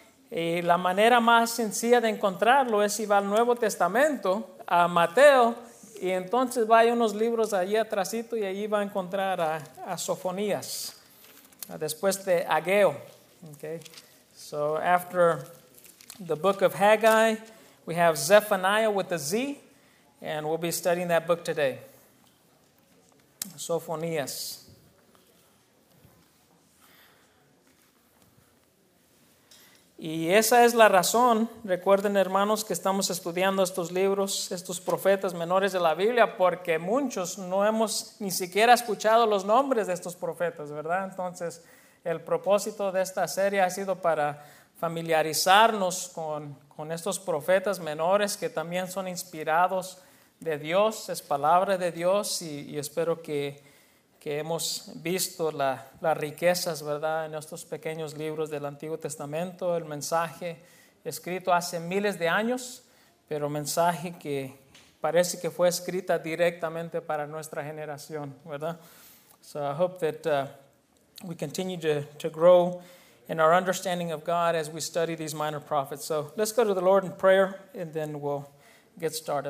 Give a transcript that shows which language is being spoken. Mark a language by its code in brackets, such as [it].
[es] Y la manera más sencilla de encontrarlo es si va al Nuevo Testamento, a Mateo, y entonces va a unos libros allí atrásito y allí va a encontrar a Sofonías, después de Ageo. [en] Okay. So after the book of Haggai, we have Zephaniah with a Z, and we'll be studying that book today. [es] Sofonías. Y esa es la razón, recuerden hermanos, que estamos estudiando estos libros, estos profetas menores de la Biblia, porque muchos no hemos ni siquiera escuchado los nombres de estos profetas, ¿verdad? Entonces, el propósito de esta serie ha sido para familiarizarnos con estos profetas menores que también son inspirados de Dios, es palabra de Dios, y espero que hemos visto las riquezas, ¿verdad?, en estos pequeños libros del Antiguo Testamento, el mensaje escrito hace miles de años, pero mensaje que parece que fue escrita directamente para nuestra generación, ¿verdad? [en] So I hope that we continue to grow in our understanding of God as we study these minor prophets. So let's go to the Lord in prayer and then we'll get started.